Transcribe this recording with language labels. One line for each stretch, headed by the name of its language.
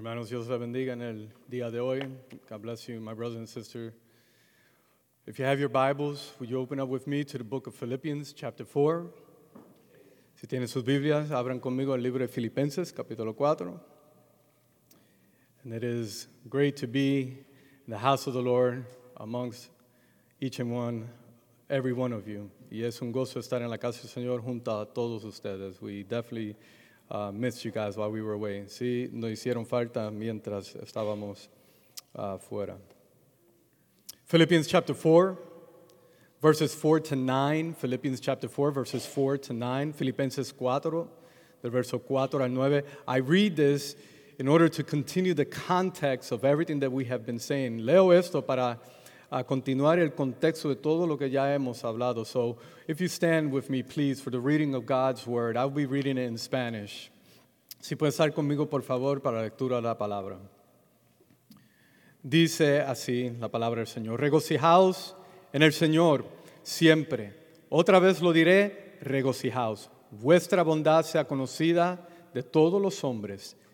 Spanish: Hermanos, Dios la bendiga en el día de hoy.
English: God bless you, my brother and sister. If you have your Bibles, would you open up with me to the book of Philippians, chapter 4?
Spanish: Si tienen sus Biblias, abran conmigo el libro de Filipenses, capítulo 4.
English: And it is great to be in the house of the Lord amongst each and one, every one of you.
Spanish: Y es un gozo estar en la casa del Señor junto a todos ustedes.
English: We definitely missed you guys while we were away.
Spanish: Sí, nos hicieron falta mientras estábamos afuera.
English: Philippians chapter 4, verses 4 to 9. Philippians chapter 4, verses 4 to 9.
Spanish: Filipenses 4, del verso 4 al 9.
English: I read this in order to continue the context of everything that we have been saying.
Spanish: Leo esto para continuar el contexto de todo lo que ya hemos hablado.
English: So, if you stand with me, please, for the reading of God's word, I'll be reading it in Spanish.
Spanish: Si puedes estar conmigo, por favor, para la lectura de la palabra. Dice así la palabra del Señor: regocijaos en el Señor siempre. Otra vez lo diré: regocijaos. Vuestra bondad sea conocida de todos los hombres.